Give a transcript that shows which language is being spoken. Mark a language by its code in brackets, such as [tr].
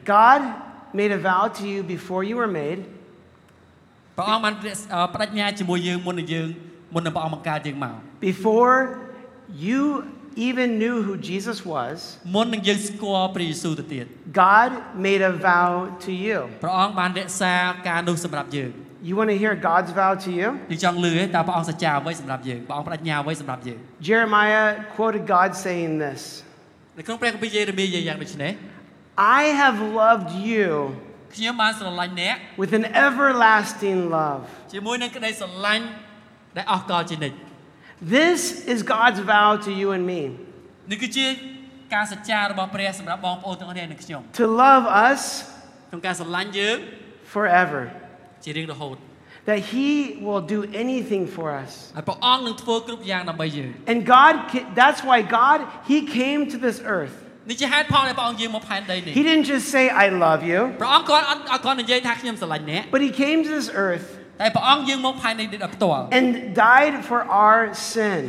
[en] God made a vow to you before you were made [km] ព្រះអង្គបានប្រាជ្ញាជាមួយយើងមុននឹងយើងមុននឹងព្រះអង្គបង្កើតយើងមក [en] Before you even knew who Jesus was [km] មុននឹងយើងស្គាល់ព្រះយេស៊ូវទៅទៀត [en] God made a vow to you [km] ព្រះអង្គបានរក្សាការនោះសម្រាប់យើង [en] You want to hear God's vow to you? [km] ទីចង់លឺតើព្រះអង្គសច្ចាអ្វីសម្រាប់យើងព្រះអង្គប្រាជ្ញាអ្វីសម្រាប់យើង [en] Jeremiah quoted God saying this [km] នៅក្នុងព្រះគម្ពីរយេរេមៀយ៉ាងដូចនេះ [en] I have loved you [km] ខ្ញុំបានស្រឡាញ់អ្នក [en] with an everlasting love [km] ជាមួយនឹងក្តីស្រឡាញ់ដែលអស់កលជានិច្ច [en] This is God's vow to you and me [km] នេះគឺជាការសច្ចារបស់ព្រះសម្រាប់បងប្អូនទាំងអស់គ្នានិងខ្ញុំ [en] To love us [km] ក្នុងការស្រឡាញ់យើង [en] forever [km] ជារៀងរហូត [en] That he will do anything for us. And God, that's why God, he came to this earth. He didn't just say, I love you. But he came to this earth. And died for our sin.